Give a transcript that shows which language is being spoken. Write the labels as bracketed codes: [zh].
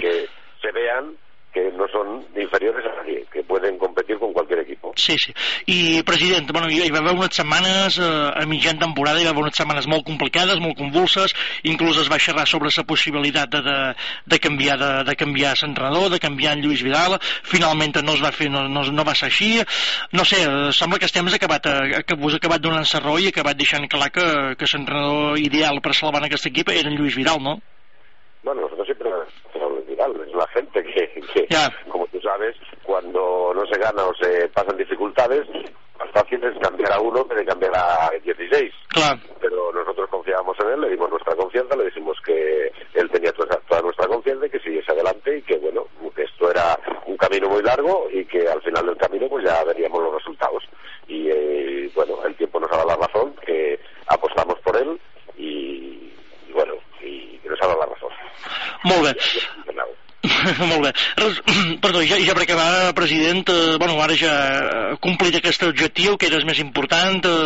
[es] Que se vean que no son inferiores a nadie, que pueden competir con cualquier equipo. Sí, sí. [ca] I, president, bueno, hi va haver unes setmanes, a mitjan temporada, hi va haver unes setmanes molt complicades, molt convulses, inclús es va xerrar sobre la possibilitat de canviar l'entrenador, de canviar en Lluís Vidal. Finalment no es va fer, no va ser així. No sé, sembla que el temps ha acabat donant la raó i ha acabat deixant clar que l'entrenador ideal per salvar aquest equip era en Lluís Vidal, no? [es] Bueno, nosotros siempre es la gente que yeah. Como tú sabes, cuando no se gana o se pasan dificultades, más fácil es cambiar a uno que de cambiar a 16. Claro. Pero nosotros confiábamos en él, le dimos nuestra confianza, le dijimos que él tenía toda nuestra confianza y que siguiese adelante, y que bueno, que esto era un camino muy largo y que al final del camino pues ya veríamos los resultados. Y bueno, el tiempo nos ha dado la razón, que apostamos por él y nos ha dado la razón. [ca] Molt bé. Molt bé. Perdó, ja per acabar, president, bueno, ara ja complit aquest objectiu, que era el més important.